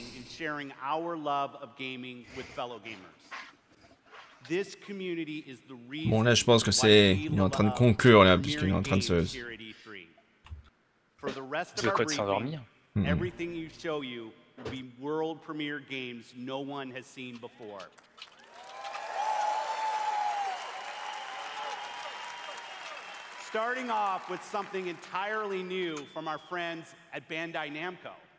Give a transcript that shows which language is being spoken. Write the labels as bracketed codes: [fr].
[en] Sharing our love of gaming with fellow gamers. This community is the reason. [fr] Bon, là, je pense que c'est. Il est en train de conclure, là, puisqu'il est en train de se. C'est quoi de s'endormir? [en] Everything you show you will be world premiere games no one has seen before. Starting off with something entirely new from our friends at Bandai Namco.